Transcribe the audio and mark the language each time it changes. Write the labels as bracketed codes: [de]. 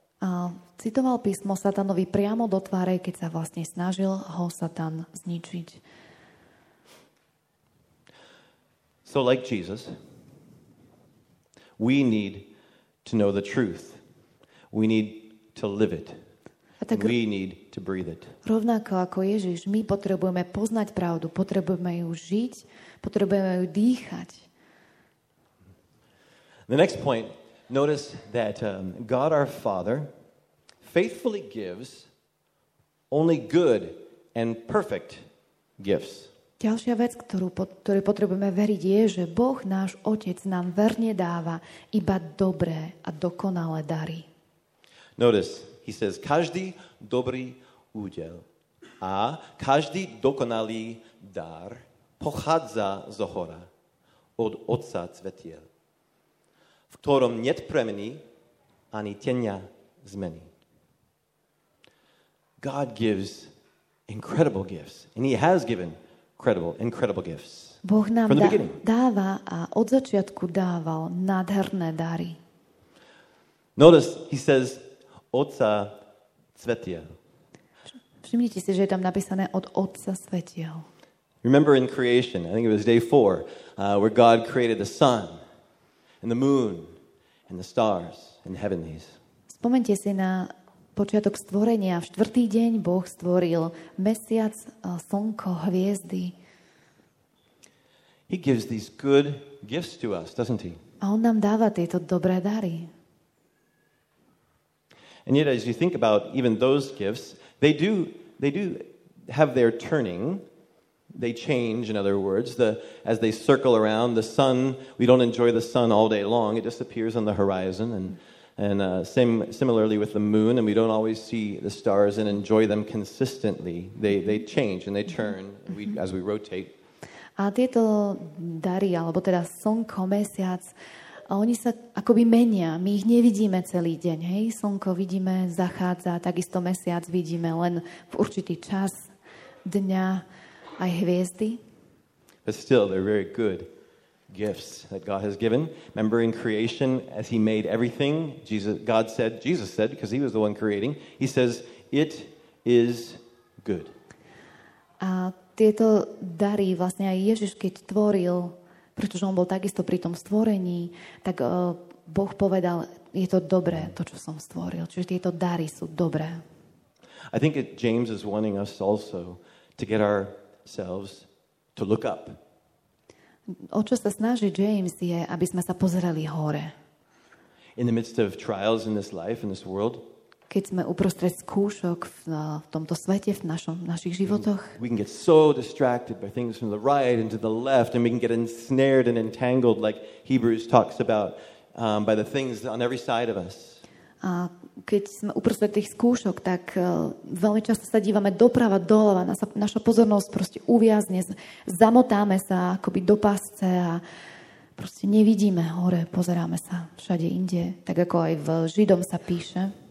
[sk] A citoval písmo Satanovi priamo do tváre, keď sa vlastne snažil ho Satan zničiť. [en] So like Jesus, we need to know the truth. We need to live it. We need to breathe it. [sk] Rovnako ako Ježiš, my potrebujeme poznať pravdu, potrebujeme ju žiť, potrebujeme ju dýchať. [en] The next point, notice that God our Father faithfully gives only good and perfect gifts. [sk] Ďalšia vec, ktorú potrebujeme veriť, je, že Boh náš Otec nám verne dáva iba dobré a dokonalé dary. [en] Notice, he says, [sk] každý dobrý údel a každý dokonalý dar pochádza zohora od Otca Cvetiel, v ktorom niet premeny ani tenia zmeny. [en] God gives incredible gifts, and he has given incredible gifts. [sk] Boh nám dáva a od začiatku dával nádherné dary. [en] Notice, he says, [sk] Otca Cvetiel. Všimnite si, že je tam napísané od Otca Cvetiel. [en] Remember in creation, I think it was day 4, where God created the sun and the moon and the stars and the heavenlies. [sk] Spomeňte si na počiatok stvorenia. V štvrtý deň Boh stvoril mesiac, slnko, hviezdy. [en] He gives these good gifts to us, doesn't he? [sk] A on nám dáva tieto dobré dary. [en] And yet, as you think about even those gifts, they do have their turning. They change, in other words, as they circle around the sun. We don't enjoy the sun all day long. It disappears on the horizon. And similarly with the moon, and we don't always see the stars and enjoy them consistently. They change and they turn as we rotate. [sk] A tieto dary, alebo teda slnko, mesiac, a oni sa akoby menia. My ich nevidíme celý deň, hej? Slnko vidíme, zachádza, takisto mesiac vidíme len v určitý čas dňa aj hviezdy. [en] But still, they're very good gifts that God has given. Remember in creation, as he made everything, Jesus said, because he was the one creating, he says, it is good. [sk] A tieto dary vlastne aj Ježiš, keď tvoril, pretože on bol takisto pri tom stvorení, tak Boh povedal, je to dobré, to, čo som stvoril. Čiže tieto dary sú dobré. [en] I think that James is wanting us also to get ourselves to look up. [sk] O čo sa snaží James je, aby sme sa pozerali hore. [en] In the midst of trials in this life, in this world, [sk] keď sme uprostred skúšok v tomto svete, v našich životoch. [en] We can get so distracted by things from the right and to the left, and we can get ensnared and entangled, like Hebrews talks about, by the things on every side of us. [sk] A keď sme uprostred tých skúšok, tak veľmi často sa dívame doprava, doľava, naša pozornosť proste uviazne, zamotáme sa akoby do pasce a proste nevidíme hore, pozeráme sa všade inde, tak ako aj v Židom sa píše.